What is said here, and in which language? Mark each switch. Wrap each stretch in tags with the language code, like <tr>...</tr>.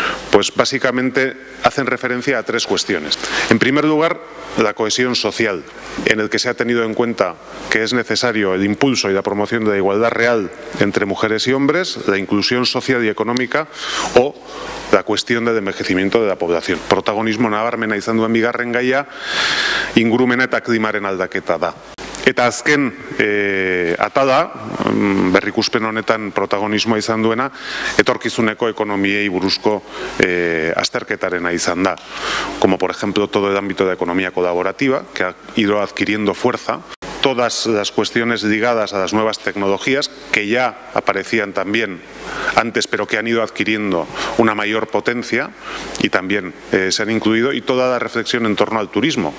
<es>Pues básicamente hacen referencia a tres cuestiones. En primer lugar, la cohesión social, en el que se ha tenido en cuenta que es necesario el impulso y la promoción de la igualdad real entre mujeres y hombres, la inclusión social y económica o la cuestión del envejecimiento de la población.</es> <eu>Protagonismo nabarmena izan duen bigarren gaia, ingurumena eta klimaren aldaketa da. Eta azken atala, berrikuspen honetan protagonismoa izan duena, etorkizuneko ekonomiei buruzko azterketarena izan da.</eu> <es>Como por ejemplo todo el ámbito de economía colaborativa, que ha ido adquiriendo fuerza. Todas las cuestiones ligadas a las nuevas tecnologías, que ya aparecían también antes, pero que han ido adquiriendo una mayor potencia y también se han incluido, y toda la reflexión en torno al turismo.</es>